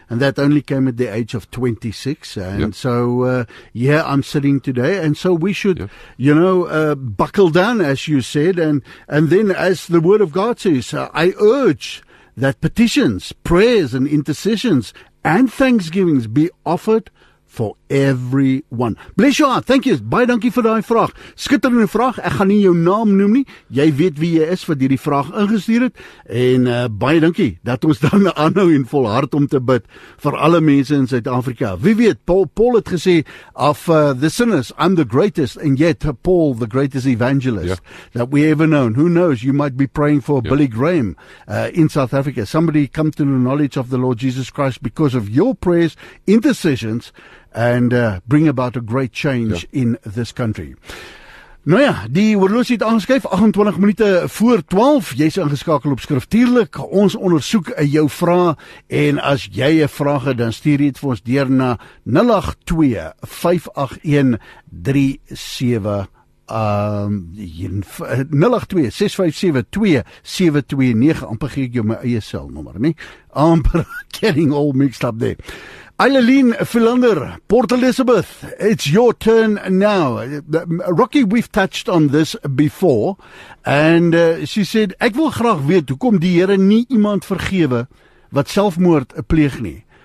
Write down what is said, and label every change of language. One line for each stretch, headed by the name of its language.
English: And that only came at the age of 26. And so, I'm sitting today. And so we should, buckle down, as you said. And then as the word of God says, I urge that petitions, prayers and intercessions and thanksgivings be offered for everyone. Bless your heart. Thank you.
Afrikaans: Baie dankie vir daai vraag. Skitterende vraag. Ek gaan nie jou naam noem nie. Jy weet wie jy is wat hierdie vraag ingestuur het. En baie dankie dat ons dan aanhou en volhard om te bid vir alle mense in Suid-Afrika. Wie weet, Paul het gesê,
English: of the sinners, I'm the greatest, and yet Paul, the greatest evangelist that we ever known. Who knows, you might be praying for Billy Graham in South Africa. Somebody come to the knowledge of the Lord Jesus Christ because of your prayers, intercessions, and bring about a great change in this country.
Afrikaans: Nou ja, die oorloos het aangeskuif 28 minute voor 12. Jy is ingeskakel op Skriftuurlik. Ons ondersoek jou vraag. En as jy 'n vraag het, dan stuur dit vir ons deur na 082-651-3072 amper gee ek jou my eie selnommer, nie? Amper
English: getting all mixed up there. Eileen Philander, Port Elizabeth, it's your turn now. Rocky, we've touched on this before, and she said,
Afrikaans: ek wil graag weet, hoekom die Here nie iemand vergewe wat selfmoord pleeg nie?